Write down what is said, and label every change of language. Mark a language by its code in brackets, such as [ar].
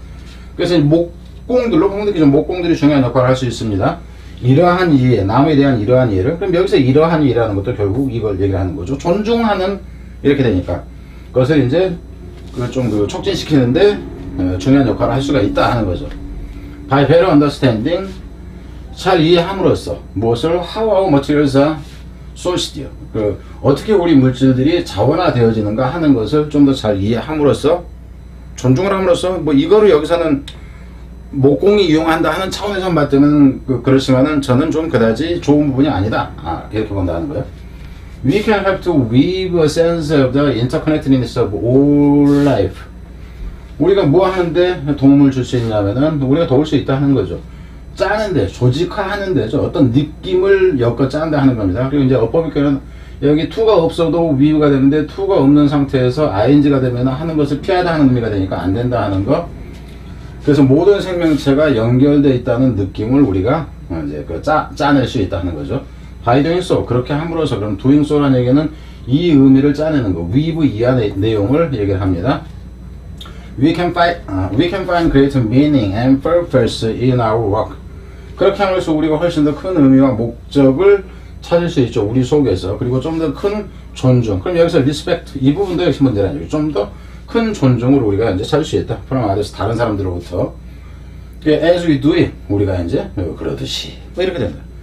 [ko] 그래서 목공들이 중요한 역할을 할 수 있습니다. 이러한 이해, 남에 대한 이러한 이해를. 그럼 여기서 이러한 이해라는 것도 결국 이걸 얘기하는 거죠. 존중하는, 이렇게 되니까. 그것을 이제 좀 촉진시키는데 중요한 역할을 할 수가 있다 하는 거죠. [en] By better understanding, 잘 이해함으로써 무엇을 how our materials are sourced. [ko] 어떻게 우리 물질들이 자원화되어지는가 하는 것을 좀 더 잘 이해함으로써 존중을 함으로써 뭐 이거를 여기서는 목공이 이용한다 하는 차원에서 봤다면 그렇지만은 저는 좀 그다지 좋은 부분이 아니다. 이렇게 본다 하는 거예요. [en] We can help to weave a sense of the interconnectedness of all life. [ko] 우리가 뭐 하는데 도움을 줄 수 있냐면은 우리가 도울 수 있다 하는 거죠. 짜는데, 조직화하는 데죠. 어떤 느낌을 엮어 짜는데 하는 겁니다. 그리고 이제 어법이께는 여기 to가 없어도 weave가 되는데 to가 없는 상태에서 ing가 되면 하는 것을 피하다 하는 의미가 되니까 안 된다 하는 거. 그래서 모든 생명체가 연결되어 있다는 느낌을 우리가 이제 짜낼 수 있다 하는 거죠. By doing so, 그렇게 함으로써, 그럼 doing so라는 얘기는 이 의미를 짜내는 거, we've 이하의 내용을 얘기를 합니다. [en] We can find great meaning and purpose in our work. [ko] 그렇게 하면서 우리가 훨씬 더 큰 의미와 목적을 찾을 수 있죠. 우리 속에서. 그리고 좀 더 큰 존중. 그럼 여기서 respect, 이 부분도 역시 문제라 아니죠. 좀 더 큰 존중을 우리가 이제 찾을 수 있다. 그럼 아래서 다른 사람들로부터. As we do it, 우리가 이제 그러듯이. 뭐 이렇게 된다.